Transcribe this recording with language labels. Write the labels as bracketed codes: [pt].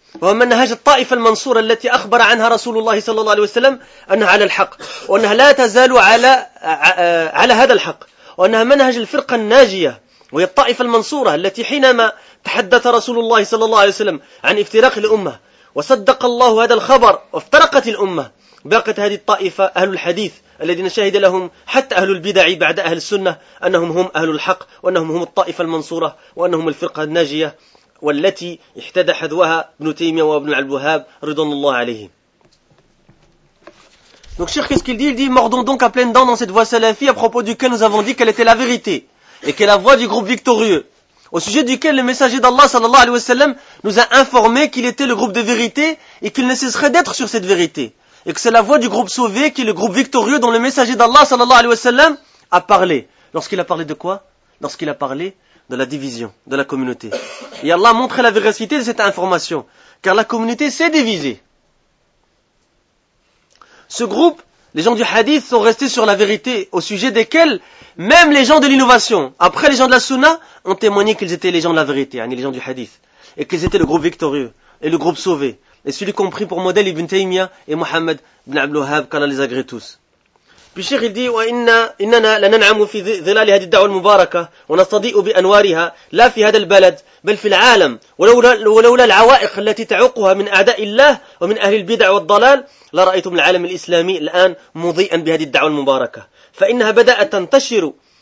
[ar] وهو منهج الطائفة المنصورة التي أخبر عنها رسول الله صلى الله عليه وسلم أنها على الحق وأنها لا تزال على هذا الحق وأنها منهج الفرقة الناجية وهي الطائفة المنصورة التي حينما تحدث رسول الله صلى الله عليه وسلم عن افتراق الأمة وصدق الله هذا الخبر وافترقت الأمة باقت هذه الطائفة أهل الحديث الذين شهد لهم حتى أهل البدع بعد أهل السنة أنهم هم أهل الحق وأنهم هم الطائفة المنصورة وأنهم الفرقة الناجية والتي احتدى حذوها ابن تيمية وابن الوهاب رضوان الله عليهم. [fr] Donc cher, qu'est-ce qu'il dit? Il dit mordons donc à pleine dent dans cette voie salafie à propos duquel nous avons dit qu'elle était la vérité et qu'elle est la voie du groupe victorieux, au sujet duquel le messager d'Allah sallallahu alayhi wa sallam nous a informé qu'il était le groupe de vérité et qu'il ne cesserait d'être sur cette vérité, et que c'est la voie du groupe sauvé qui est le groupe victorieux dont le messager d'Allah sallallahu alayhi wa sallam a parlé. Lorsqu'il a parlé de quoi? Lorsqu'il a parlé de la division, de la communauté. Et Allah a montré la véracité de cette information, car la communauté s'est divisée. Ce groupe, les gens du hadith, sont restés sur la vérité au sujet desquels même les gens de l'innovation, après les gens de la sunna, ont témoigné qu'ils étaient les gens de la vérité, hein, les gens du hadith, et qu'ils étaient le groupe victorieux et le groupe sauvé, et celui compris pour modèle Ibn Taymiyyah et Muhammad ibn Abdul Wahhab, qu'Allah les agrée tous. Puis Cheikh il dit [ar] وَإِنَّنَا لَنَنْعَمُ فِي ظِلَالِ هَذِي الدَّعْوَ الْمُبَارَكَةِ وَنَصْطَدِئُ بِأَنْوَارِهَا لَا فِي هَذَا الْبَلَدِ بَلْ فِي الْعَالَمِ وَلَوْلَا الْعَوَائِقِ الَّتِي تَعُقُّهَا مِنْ أَعْدَاءِ اللَّهِ وَمِنْ أَهْلِ الْبِدَعِ وَالضَّلَالِ لَرَأَيْتُمُ الْعَالَمَ الْإِسْلَامِيَّ الْآنَ مُضِيئًا بِهَذِي الدَّعْوَ الْمُبَارَكَةِ فَإِنَّهَا بَدَأَتْ تَنْتَشِرُ